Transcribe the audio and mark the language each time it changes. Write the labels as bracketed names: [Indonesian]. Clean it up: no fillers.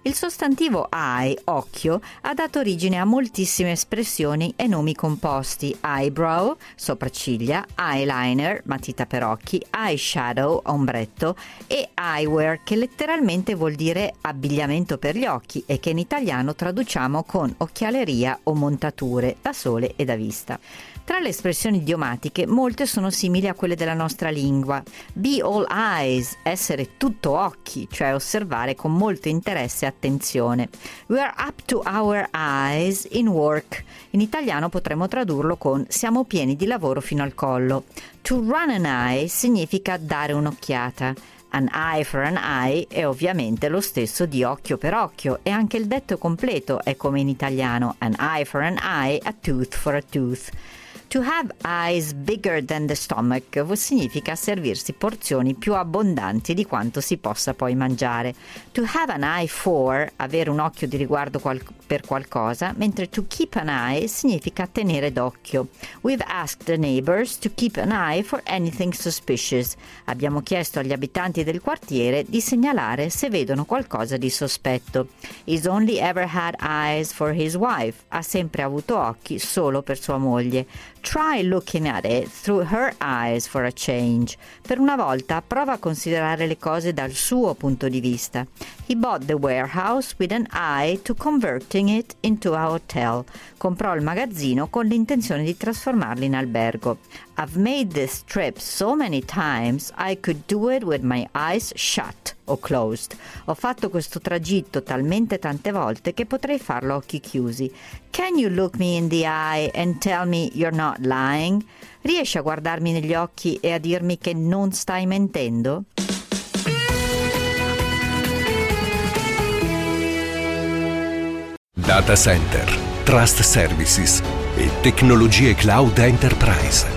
[Italian] Il sostantivo «eye», occhio, ha dato origine a moltissime espressioni e nomi composti, «eyebrow», sopracciglia, eyeliner, matita per occhi, eyeshadow, ombretto, e eyewear, che letteralmente vuol dire abbigliamento per gli occhi e che in italiano traduciamo con occhialeria o montature da sole e da vista. Tra le espressioni idiomatiche, molte sono simili a quelle della nostra lingua. [English] Be all eyes, [Italian] essere tutto occhi, cioè osservare con molto interesse e attenzione. [English] We are up to our eyes in work. [Italian] In italiano potremmo tradurlo con siamo pieni di lavoro fino al collo. [English] To run an eye [Italian] significa dare un'occhiata. [English] An eye for an eye [Italian] è ovviamente lo stesso di occhio per occhio, e anche il detto completo è come in italiano: [English] an eye for an eye, a tooth [Italian] for a tooth. [English] To have eyes bigger than the stomach [Italian] significa servirsi porzioni più abbondanti di quanto si possa poi mangiare. [English] To have an eye for, [Italian] avere un occhio di riguardo per qualcosa, mentre [English] to keep an eye [Italian] significa tenere d'occhio. [English] We've asked the neighbors to keep an eye for anything suspicious. [Italian] Abbiamo chiesto agli abitanti del quartiere di segnalare se vedono qualcosa di sospetto. [English] He's only ever had eyes for his wife. [Italian] Ha sempre avuto occhi solo per sua moglie. [English] Try looking at it through her eyes for a change. [Italian] Per una volta, prova a considerare le cose dal suo punto di vista. [English] He bought the warehouse with an eye to converting it into a hotel. [Italian] Comprò il magazzino con l'intenzione di trasformarlo in albergo. [English] I've made this trip so many times I could do it with my eyes shut or closed. [Italian] Ho fatto questo tragitto talmente tante volte che potrei farlo a occhi chiusi. [English] Can you look me in the eye and tell me you're not lying? [Italian] Riesci a guardarmi negli occhi e a dirmi che non stai mentendo? Data Center, Trust Services e tecnologie cloud enterprise.